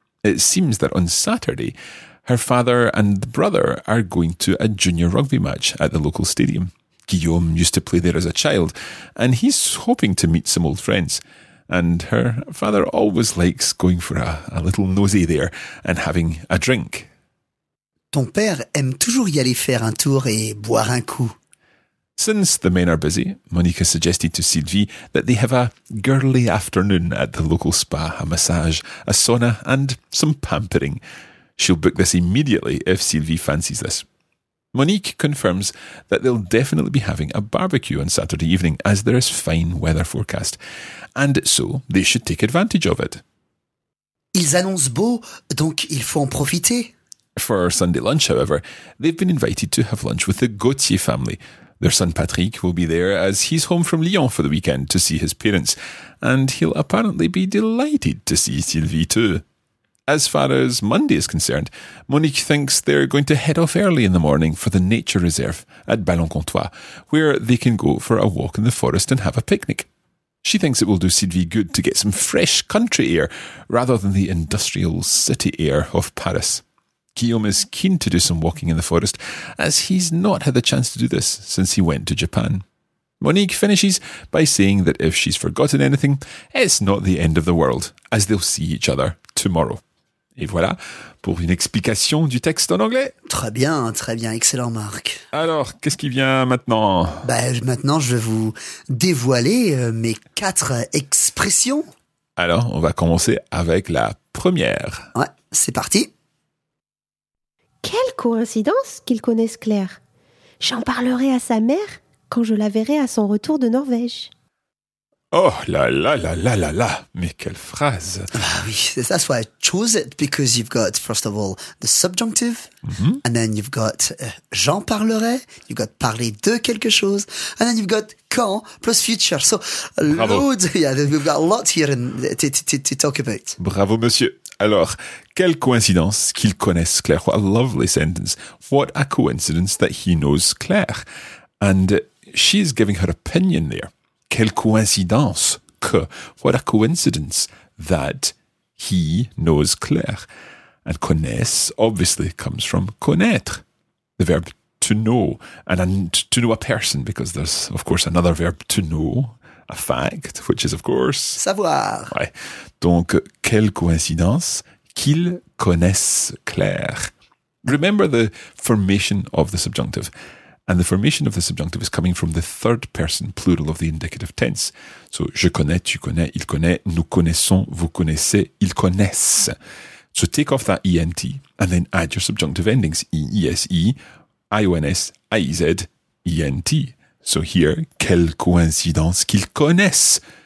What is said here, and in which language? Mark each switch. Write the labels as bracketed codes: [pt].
[en] It seems that on Saturday, her father and brother are going to a junior rugby match at the local stadium. Guillaume used to play there as a child, and he's hoping to meet some old friends. And her father always likes going for a little nosy there and having a drink. [fr] Ton père aime toujours y aller faire un tour et boire un coup. [en] Since the men are busy, Monique suggested to Sylvie that they have a girly afternoon at the local spa, a massage, a sauna and some pampering. She'll book this immediately if Sylvie fancies this. Monique confirms that they'll definitely be having a barbecue on Saturday evening as there is fine weather forecast. And so, they should take advantage of it. [fr] Ils annoncent beau, donc il faut en profiter. [en] For Sunday lunch, however, they've been invited to have lunch with the Gautier family. Their son Patrick will be there as he's home from Lyon for the weekend to see his parents. And he'll apparently be delighted to see Sylvie too. As far as Monday is concerned, Monique thinks they're going to head off early in the morning for the nature reserve at Ballons Comtois, where they can go for a walk in the forest and have a picnic. She thinks it will do Sylvie good to get some fresh country air rather than the industrial city air of Paris. Guillaume is keen to do some walking in the forest, as he's not had the chance to do this since he went to Japan. Monique finishes by saying that if she's forgotten anything, it's not the end of the world, as they'll see each other tomorrow. [fr] Et voilà pour une explication du texte en anglais. Très bien, excellent Marc. Alors, qu'est-ce qui vient maintenant? Maintenant, je vais vous dévoiler mes quatre expressions. Alors, on va commencer avec la première. Ouais, c'est parti. Quelle coïncidence qu'il connaisse Claire. J'en parlerai à sa mère quand je la verrai à son retour de Norvège. Oh là là là là là là, mais quelle phrase! Ah oui, [en] that's why I chose it, because you've got, first of all, the subjunctive, mm-hmm. and then you've got [fr] j'en parlerai, [en] you've got [fr] parler de quelque chose, [en] and then you've got quand plus future. So, loads, yeah, we've got a lot here to talk about. [fr] Bravo, monsieur. Alors, quelle coïncidence qu'il connaisse Claire. [en] What a lovely sentence. What a coincidence that he knows Claire. And she's giving her opinion there. [fr] Quelle coïncidence que, [en] what a coincidence that he knows Claire. And connaisse obviously comes from connaître, the verb to know, and to know a person, because there's, of course, another verb to know, a fact, which is, of course, [fr] savoir. Ouais. Donc, quelle coïncidence qu'il connaisse Claire. [en] Remember the formation of the subjunctive. And the formation of the subjunctive is coming from the third person plural of the indicative tense. [fr] So, je connais, tu connais, il connaît, nous connaissons, vous connaissez, ils connaissent. [en] So, take off that ENT and then add your subjunctive endings. E-E-S-E, I-O-N-S, I-E-Z, E-N-T. So here, [fr] quelle coïncidence qu'ils connaissent.